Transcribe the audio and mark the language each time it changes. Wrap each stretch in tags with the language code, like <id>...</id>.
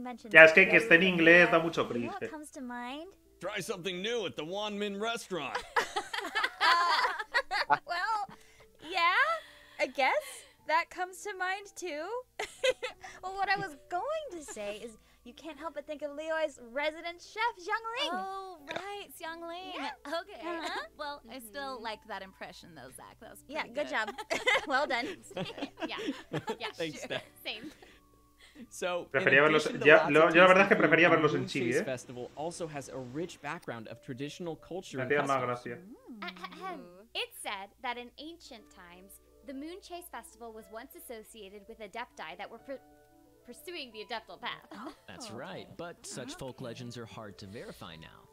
<es>Ya, es que esté en inglés da mucho cringe.</es> <en>Try something new at the Wanmin restaurant. Well, yeah, I guess that comes to mind too. Well, what I was going to say is you can't help but think of Leo's resident chef, Xiangling. Oh, right, Xiangling. Yeah. Okay. Uh-huh. Well, mm-hmm. I still like that impression though, Zach. That was pretty good job. Well done. Yeah. Thanks, sure. Steph. Same. So,</en> <es>prefería verlos, yo la verdad es que prefería verlos en chili, ¿eh?</es> <en>Festival also has a rich background of traditional culture. It's said that in ancient times, the Moon Chase Festival was once associated with adepti that were pursuing the Adeptal Path. That's right, but such folk legends are hard to verify now.</en>